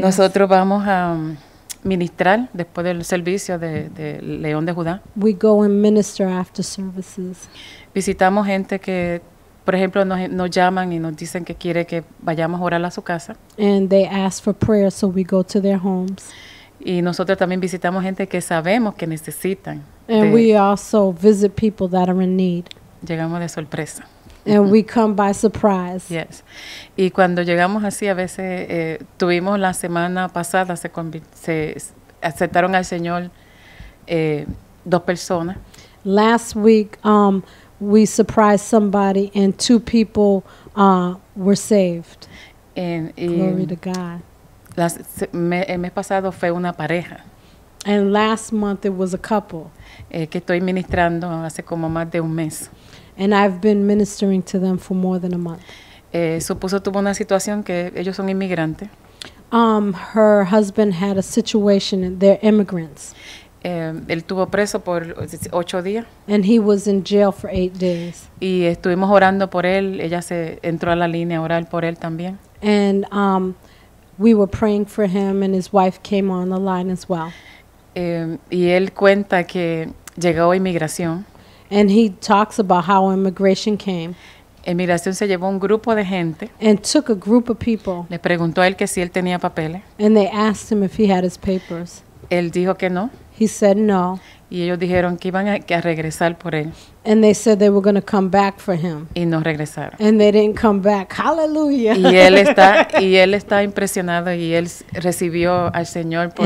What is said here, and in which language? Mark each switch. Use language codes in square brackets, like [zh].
[es] Nosotros vamos a ministrar después del servicio de León de Judá. [en] We go and minister after services. [es] Visitamos gente que, por ejemplo, nos llaman y nos dicen que quiere que vayamos a orar a su casa. [en] And they ask for prayer, so we go to their homes. [es] Y nosotros también visitamos gente que sabemos que necesitan. [en] And we also visit people that are in need. [es] Llegamos de sorpresa. [en] And we come by surprise. Yes. [es] Y cuando llegamos así, a veces tuvimos la semana pasada, se aceptaron al Señor dos personas. [en] Last week, we surprised somebody and two people were saved. Glory to God. [es] El mes pasado fue una pareja. [en] And last month it was a couple. [es] Que estoy ministrando hace como más de un mes. [en] And I've been ministering to them for more than a month. [es] Supuso tuvo una situación que ellos son inmigrantes. [en] Her husband had a situation, they're immigrants. [es] Él tuvo preso por 8 días. [en] And he was in jail for 8 days. [es] Y estuvimos orando por él. Ella se entró a la línea a orar por él también. [en] And we were praying for him, and his wife came on the line as well. [es] Y él cuenta que llegó inmigración. [en] And he talks about how immigration came. [es] Inmigración se llevó un grupo de gente. [en] And took a group of people. [es] Le preguntó a él que si él tenía papeles. [en] And they asked him if he had his papers. [es] Él dijo que no. [en] He said no. [es] Y ellos dijeron que iban a regresar por él. [en] And they said they were going to come back for him. [es] Y no regresaron. [en] And they didn't come back. Hallelujah. [es] Y él está impresionado, y él recibió al Señor por.